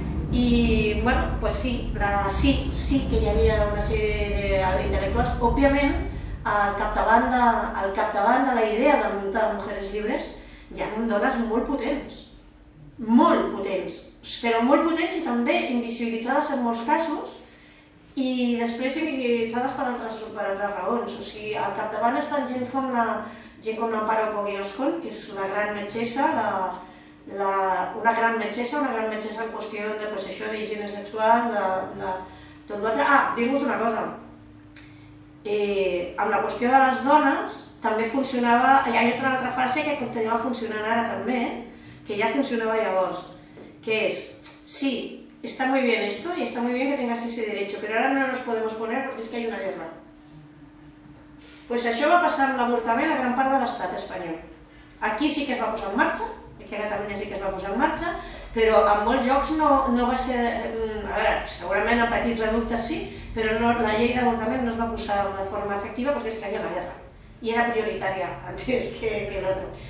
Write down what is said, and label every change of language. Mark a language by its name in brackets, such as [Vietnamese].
[Catalan] I, bueno, pues sí, sí que hi havia una sèrie d'intel·lectuals, òbviament, al capdavant de la idea de muntar Mujeres Libres hi ha dones molt potents, però molt potents i també invisibilitzades en molts casos i després invisibilitzades per altres raons. O sigui, al capdavant estan gent com la Amparo Pogui-Gascón, que és una gran metgessa, una gran metgessa en qüestió de, pues, això d'higiene sexual, de tot l'altre. Ah, dir-vos una cosa. Amb la qüestió de les dones també funcionava, hi ha una altra frase que continua funcionant ara també, que ja funcionava llavors, que és, [Spanish] sí, está muy bien esto y está muy bien que tengas ese derecho, pero ahora no nos podemos poner porque es que hay una guerra. [Catalan] Pues això va passar amb l'avortament a gran part de l'estat espanyol. Aquí sí que es va posar en marxa, aquí a Catalunya sí que es va posar en marxa, però en molts llocs no va ser, a veure, segurament en petits reductes sí, però no, la llei d'avortament no es va posar de forma efectiva perquè es caia la guerra i era prioritària antes que l'altre.